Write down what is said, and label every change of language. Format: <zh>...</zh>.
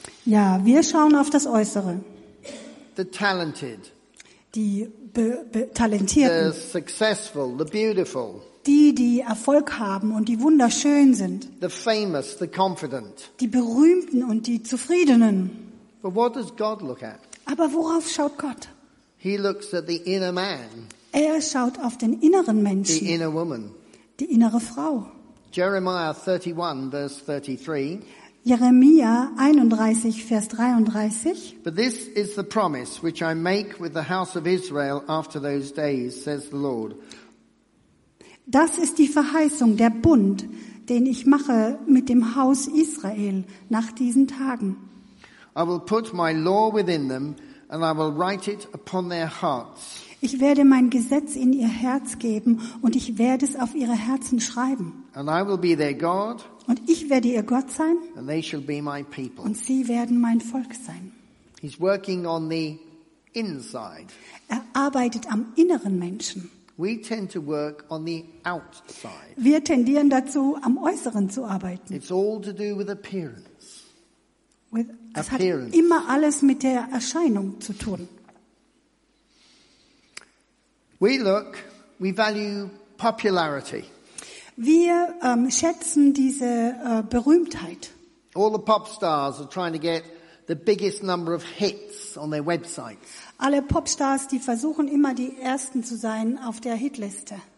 <de>Ja, wir schauen auf das Äußere.</de> <en>The talented.</en> <de>Die Talentierten,</de> <en>the successful, the beautiful,</en> <de>die Erfolg haben und die wunderschön sind,</de> <en>the famous, the confident,</en> <de>die Berühmten und die Zufriedenen.</de> <en>But what does God look at?</en> <de>Aber worauf schaut Gott?</de> <en>He looks at the inner man,</en> <de>schaut auf den inneren Menschen,</de> <en>the inner woman,</en> <de>die innere Frau.</de> <en>Jeremiah 31, verse 33.</en> <de>Jeremia 31, Vers 33.</de> <en>But this is the promise which I make with the house of Israel after those days, says the Lord.</en> <de>Das ist die Verheißung, der Bund, den ich mache mit dem Haus Israel nach diesen Tagen.</de> <en>I will put my law within them and I will write it upon their hearts.</en> <de>Ich werde mein Gesetz in ihr Herz geben und ich werde es auf ihre Herzen schreiben.</de> <en>And I will be their God,</en> <de>und ich werde ihr Gott sein</de> <en>and they shall be my people.</en> <de>Und sie werden mein Volk sein.</de> <en>He's working on the inside.</en> <de>Er arbeitet am inneren Menschen.</de> <en>We tend to work on the outside.</en> <de>Wir tendieren dazu, am Äußeren zu arbeiten.</de> <en>It's all to do with appearance.</en> <de>Es hat appearance. Immer alles mit der Erscheinung zu tun.</de> <en>We value popularity.</en> <de>Wir schätzen diese Berühmtheit.</de> <en>All the pop stars are trying to get the biggest number of hits on their websites.</en> <de>Alle Popstars, die versuchen immer die ersten zu sein auf der Hitliste.</de>